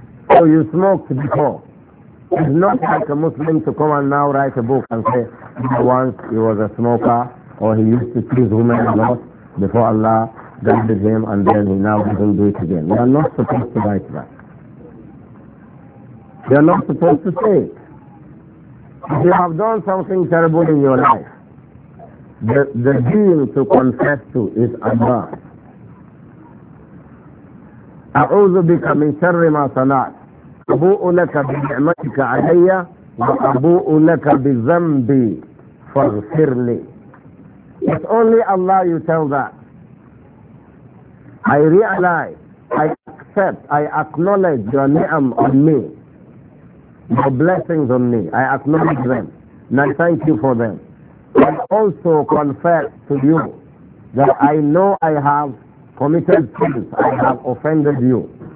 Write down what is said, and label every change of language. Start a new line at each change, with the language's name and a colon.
English: So you smoked before. It's not like a Muslim to come and now write a book and say, once he was a smoker, or he used to tease women a lot before Allah guided him, and then he now doesn't do it again. We are not supposed to write that. We are not supposed to say it. If you have done something terrible in your life, the deal to confess to is Allah.
Arabic: أعوذ بك من شر ما صنعت أبوء لك بنعمتك علي وأبوء لك بذنبي فاغفر لي.
English: It's only Allah you tell that. I realize, I accept, I acknowledge your ni'am on me, your blessings on me. I acknowledge them and I thank you for them. I also confess to you that I know I have committed sins, I have offended you.